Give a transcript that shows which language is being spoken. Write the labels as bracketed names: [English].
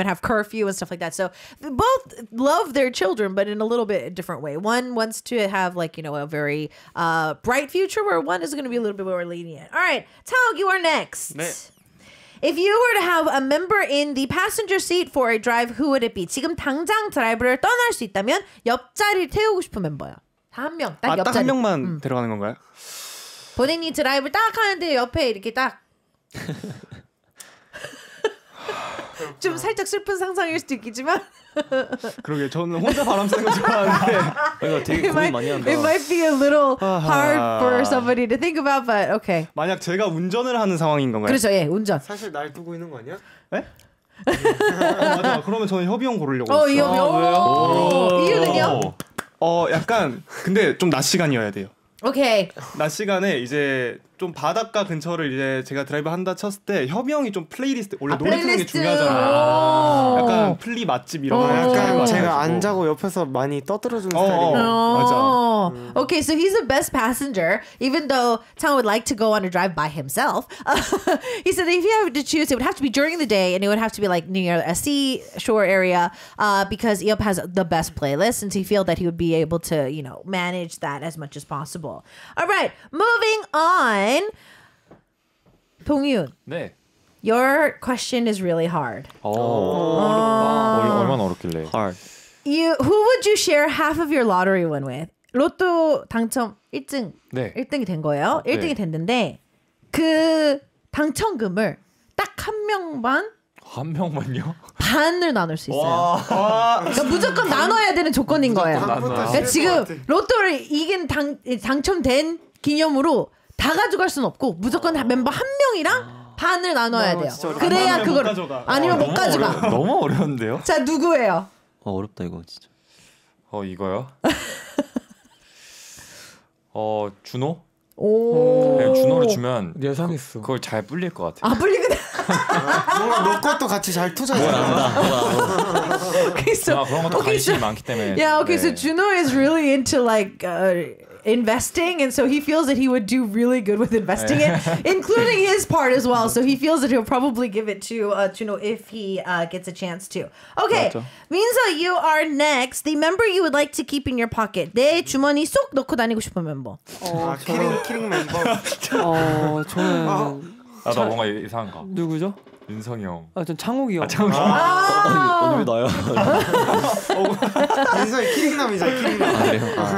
[English] and have curfew and stuff like that. So both love their children, but in a little bit different way. One wants to have like, you know, a very bright future, where one is going to be a little bit more lenient. All right, Taeog, you are next. [Korean] 네. [English] If you were to have a member in the passenger seat for a drive, who would it be? [Korean] 지금 당장 드라이브를 떠날 수 있다면 옆자리를 태우고 싶은 멤버야. 한 명, 딱 옆자리. 아, 딱 한 명만 들어가는 건가요? 본인이 드라이브 딱 하는데 옆에 이렇게 딱. 좀 살짝 슬픈 상상일 수도 있겠지만. 그러게, 저는 혼자 바람 쐬는 거 좋아하는데. 이거 되게 고민 많이 한다. [English] It might be a little hard for somebody to think about, but okay. [Korean] 만약 제가 운전을 하는 상황인 건가요? 그렇죠, 예, 운전. 사실 날 두고 있는 거 아니야? 예? 네? 맞아. 그러면 저는 협이 형 고르려고. 협이 형. 아, 이유는요? 약간 근데 좀 낮 시간이어야 돼요. 오케이. 낮 시간에 이제 좀 바닷가 근처를 이제 제가 드라이브 한다 쳤을 때 협이 형이 좀 플레이리스트 원래 노래 듣는 게 중요하잖아요. 약간 플리 맛집 이런 거 약간 제가 안 자고 옆에서 많이 떠들어주는 스타일이에요. 맞아. [English] Okay, so he's the best passenger. Even though Tom would like to go on a drive by himself, he said that if he had to choose, it would have to be during the day, and it would have to be like near a seashore area, because Yop has the best playlist, and he feels that he would be able to, you know, manage that as much as possible. All right, moving on. 동윤. [Korean] 네. [English] Your question is really hard. [Korean] 얼마나 어렵길래. [English] Hard. You who would you share half of your lottery win with? [Korean] 로또 당첨 1등. 네. 1등이 된 거예요. 1등이 네. 됐는데 그 당첨금을 딱 한 명만 한 명만요? 반을 나눌 수 있어요. 그러니까 무조건 나눠야 되는 조건인 거예요. 그러니까 지금 로또를 이긴 당첨된 기념으로 다 가져갈 순 없고 무조건 멤버 한 명이랑 반을 나눠야 돼요. 그래야 그걸 못 가져가. 아니면 못 가져가. 너무 어려운데요? 자, 누구예요? 어렵다 이거 진짜. 이거요? 준호? 오. 네, 준호를 주면 예상했어. 그걸 잘 불릴 것 같아요. 아, 불리구나. 뭔가 너 것도 같이 잘 투자했잖아. 그래서 그런 것도 관심이 많기 때문에. [English] Yeah, okay. 네. So Juno is really into like investing, and so he feels that he would do really good with investing it, including his part as well. So he feels that he'll probably give it to Chuno if he gets a chance to. Okay, Minza, you are next. The member you would like to keep in your pocket. [Korean] 내 주머니 속 넣고 다니고 싶은 멤버. 키링 멤버. 저는 아, 나 뭔가 이상한 거. 누구죠? 윤성이 형. 아, 전 창욱이 형. 아, 창욱이 형. 왜 나야? 윤성이 키링남이죠, 키링남.